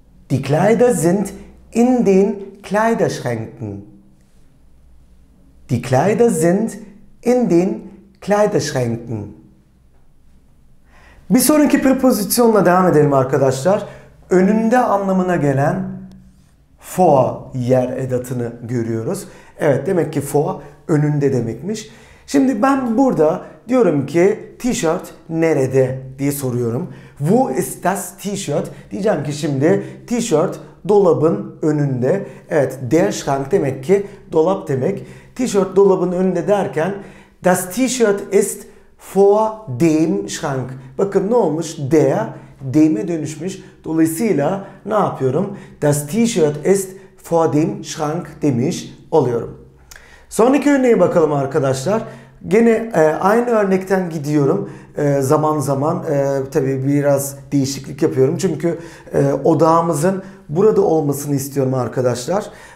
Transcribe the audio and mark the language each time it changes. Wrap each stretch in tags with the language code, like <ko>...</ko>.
<de>Die Kleider sind in den Kleiderschränken. Die Kleider sind in den Kleiderschränken.</de> <tr>Bir sonraki prepozisyonla devam edelim arkadaşlar. Önünde anlamına gelen vor yer edatını görüyoruz. Evet demek ki vor önünde demekmiş. Şimdi ben burada diyorum ki tişört nerede diye soruyorum.</tr> <de>Wo ist das T-Shirt?</de> <tr>Diyeceğim ki şimdi tişört dolabın önünde. Evet der Schrank demek ki dolap demek. Tişört dolabın önünde derken</tr> <de>das T-Shirt ist vor dem Schrank.</de> <tr>Bakın ne olmuş? Der, dem'e dönüşmüş. Dolayısıyla ne yapıyorum?</tr> <de>Das T-Shirt ist vor dem Schrank</de> <tr>demiş oluyorum. Sonraki örneğe bakalım arkadaşlar. Gene aynı örnekten gidiyorum. Zaman zaman tabii biraz değişiklik yapıyorum. Çünkü odağımızın burada olmasını istiyorum arkadaşlar.</tr>